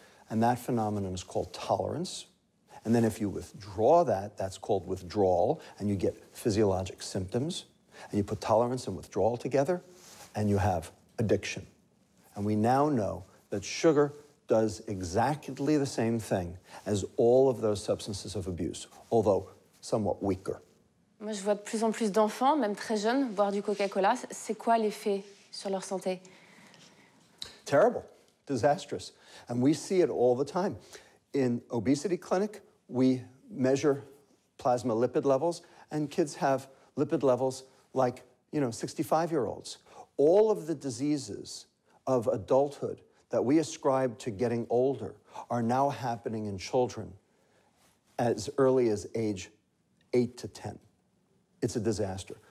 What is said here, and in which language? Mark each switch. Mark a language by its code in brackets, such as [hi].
[en] And that phenomenon is called tolerance. And then if you withdraw that, that's called withdrawal, and you get physiologic symptoms. And you put tolerance and withdrawal together, and you have addiction. And we now know that sugar does exactly the same thing as all of those substances of abuse, although somewhat weaker. [fr] Moi, je vois de plus en plus d'enfants, même très jeunes, boire du Coca-Cola. C'est quoi l'effet sur leur santé? [en] Terrible. Disastrous. And we see it all the time. In obesity clinic, we measure plasma lipid levels, and kids have lipid levels like, you know, 65-year-olds. All of the diseases of adulthood that we ascribe to getting older are now happening in children as early as age 8 to 10. It's a disaster.